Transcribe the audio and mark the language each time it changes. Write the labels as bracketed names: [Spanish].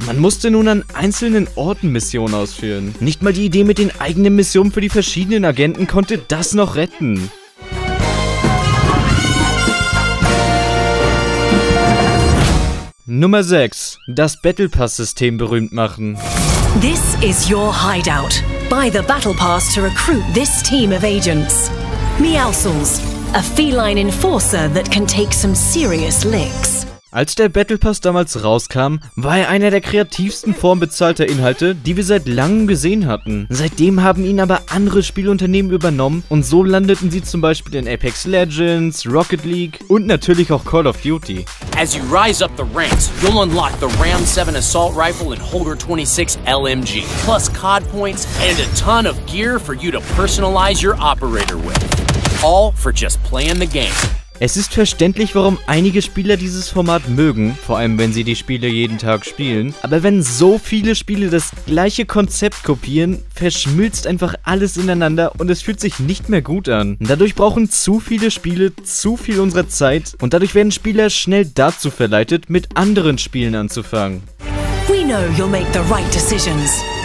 [German] Man musste nun an einzelnen Orten Missionen ausführen. Nicht mal die Idee mit den eigenen Missionen für die verschiedenen Agenten konnte das noch retten. Nummer 6. Das Battle Pass System berühmt machen. [English] This is your hideout. Buy the Battle Pass to recruit this team of agents. Meowsels, a feline enforcer that can take some serious licks. [German] Als der Battle Pass damals rauskam, war er einer der kreativsten Formen bezahlter Inhalte, die wir seit langem gesehen hatten. Seitdem haben ihn aber andere Spielunternehmen übernommen und so landeten sie zum Beispiel in Apex Legends, Rocket League und natürlich auch Call of Duty. [English] As you rise up the ranks, you'll unlock the Ram 7 Assault Rifle and Holder 26 LMG, plus COD points and a ton of gear for you to personalize your operator with. All for just playing the game. [German] Es ist verständlich, warum einige Spieler dieses Format mögen, vor allem wenn sie die Spiele jeden Tag spielen. Aber wenn so viele Spiele das gleiche Konzept kopieren, verschmilzt einfach alles ineinander und es fühlt sich nicht mehr gut an. Dadurch brauchen zu viele Spiele zu viel unserer Zeit und dadurch werden Spieler schnell dazu verleitet, mit anderen Spielen anzufangen. [English] We know you'll make the right decisions.